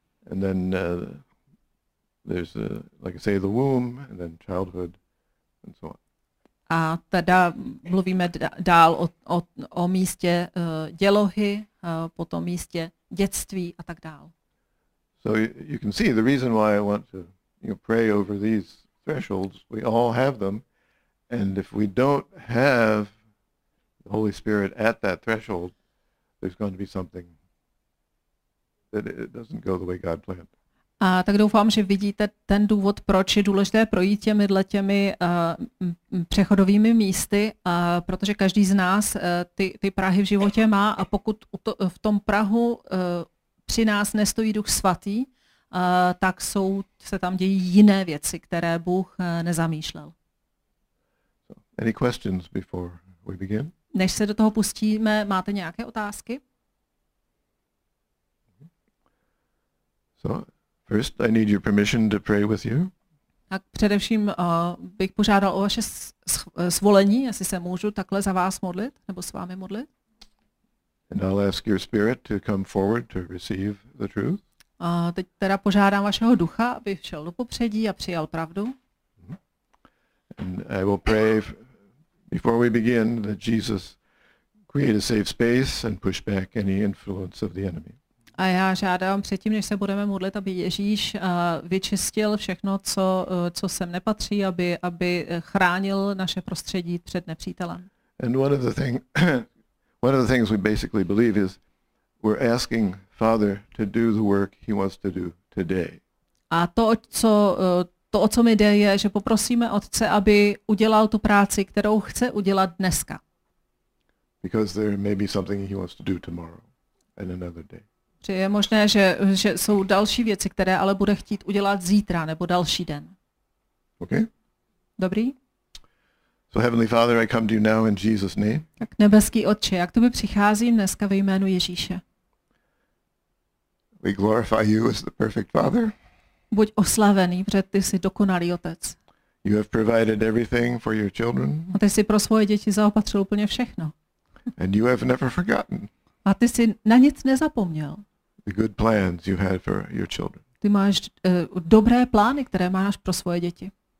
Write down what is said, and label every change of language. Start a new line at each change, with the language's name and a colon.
English: And then there's like I say the womb and then childhood and so on.
Czech: A teda mluvíme dál o místě dělohy, potom místě dětství a tak dál.
English: So you can see the reason why I want to pray over these thresholds. We all have them. And if we don't have the Holy Spirit at that threshold, there's going to be something that it doesn't go the way God planned.
Czech: A tak doufám, že vidíte ten důvod, proč je důležité projít těmi přechodovými místy, protože každý z nás ty prahy v životě má, a pokud v tom prahu při nás nestojí Duch Svatý, tak se tam dějí jiné věci, které Bůh nezamýšlel.
English: Any questions before we begin?
Czech: Než se do toho pustíme, máte nějaké otázky?
English: So, first I need your permission to pray with you.
Czech: Tak především bych požádal o vaše svolení, jestli se můžu takhle za vás modlit, nebo s vámi modlit.
English: And I'll ask your spirit to come forward to receive the truth.
Czech: A teď teda požádám vašeho ducha, aby šel do popředí a přijal pravdu.
English: And I will pray before we begin that Jesus create a safe space and push back any influence of the enemy.
Czech: A já žádám předtím, než se budeme modlit, aby Ježíš vyčistil všechno, co sem nepatří, aby chránil naše prostředí před nepřítelem.
English: And one of the things we basically believe is we're asking Father to do the work he wants to do today.
Czech: A to, o co mi jde, je, že poprosíme Otce, aby udělal tu práci, kterou chce udělat dneska.
English: Because there may be something he wants to do tomorrow and another day.
Czech: Že je možné, že jsou další věci, které ale bude chtít udělat zítra nebo další den.
English: Okay.
Czech: Dobrý?
English: So Heavenly Father, I come to you now in Jesus' name.
Czech: Tak nebeský Otče, jak tu mi přicházím dneska ve jménu Ježíše.
English: We glorify you as the perfect Father.
Czech: Buď oslavený, protože ty jsi dokonalý Otec.
English: You have provided everything for your children.
Czech: A ty jsi pro svoje děti zaopatřil úplně všechno.
English: And you have never forgotten.
Czech: A ty jsi na nic nezapomněl.
English: The good plans you had for your children.
Czech: Ty máš dobré plány, které máš pro svoje děti.